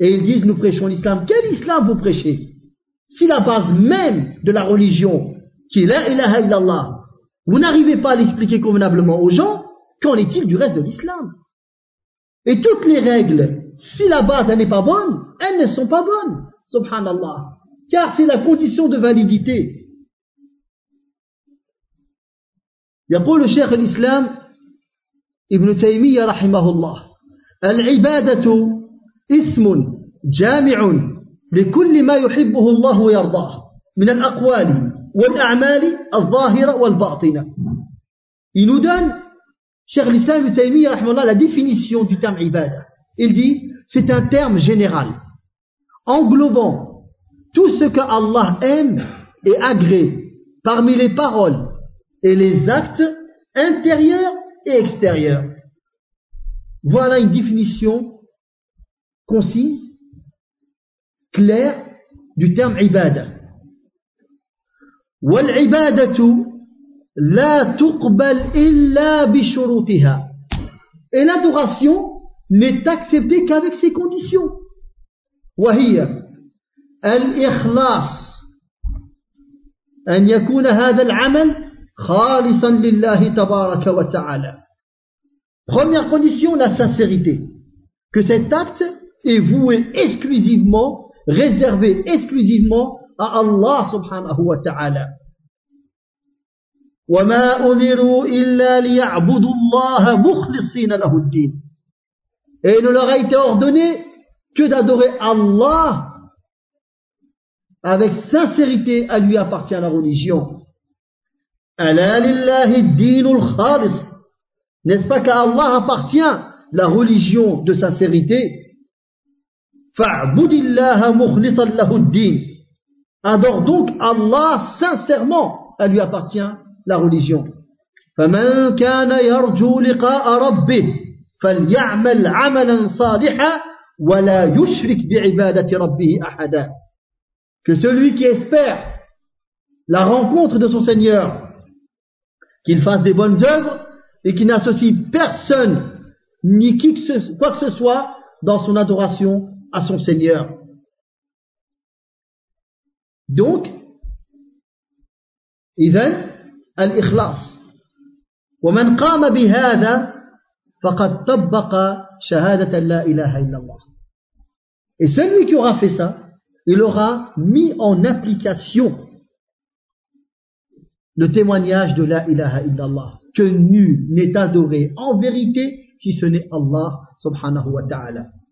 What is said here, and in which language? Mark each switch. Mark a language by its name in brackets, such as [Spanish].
[French] Et ils disent « nous prêchons l'islam ». Quel islam vous prêchez? Si la base même de la religion, qui est « [Arabic] la ilaha illallah [French] », vous n'arrivez pas à l'expliquer convenablement aux gens, qu'en est-il du reste de l'islam? Et toutes les règles, si la base n'est pas bonne, elles ne sont pas bonnes, subhanallah. Car c'est la condition de validité. [Arabic] يقول شيخ الإسلام ابن تيمية رحمه الله: العبادة اسم جامع لكل ما يحبه الله ويرضاه من الأقوال والأعمال الظاهرة والباطنة. [French] Il nous donne, [Arabic] شيخ الإسلام ابن تيمية رحمه الله, [French] la définition du terme عبادة. Il dit, c'est un terme général, englobant tout ce que Allah aime et agrée parmi les paroles et les actes intérieurs et extérieurs. Voilà une définition concise, clair du terme ibada. [Arabic] والعبادة لا تقبل إلا بشروطها. [French] Et l'adoration n'est acceptée qu'avec ces conditions. [Arabic] وهي الإخلاص أن يكون هذا العمل خالصا لله تبارك وتعالى. [French] Première condition, la sincérité. Que cet acte est voué exclusivement, réservé exclusivement à Allah subhanahu wa ta'ala. [Arabic] وما أمروا إلا ليعبدوا الله مخلصين له الدين. [French] Et il ne leur a été ordonné que d'adorer Allah avec sincérité, à lui appartient la religion. [Arabic] ألا لله الدين الخالص. [French] N'est-ce pas qu'à Allah appartient la religion de sincérité? [Arabic] فاعبد الله مخلصا له الدين. [French] Adore donc Allah sincèrement, à lui appartient la religion. [Arabic] فمن كان يرجو لقاء ربه فليعمل عملا صالحا ولا يشرك بعبادة ربه أحدا. [French] Que celui qui espère la rencontre de son Seigneur, qu'il fasse des bonnes œuvres et qu'il n'associe personne ni quoi que ce soit dans son adoration à son Seigneur. Donc, [Arabic] إذن الإخلاص. ومن قام بهذا فقد طبق شهادة لا إله إلا الله. [French] Et celui qui aura fait ça, il aura mis en application le témoignage de [Arabic] la ilaha illallah, [French] que nul n'est adoré en vérité si ce n'est Allah subhanahu wa ta'ala.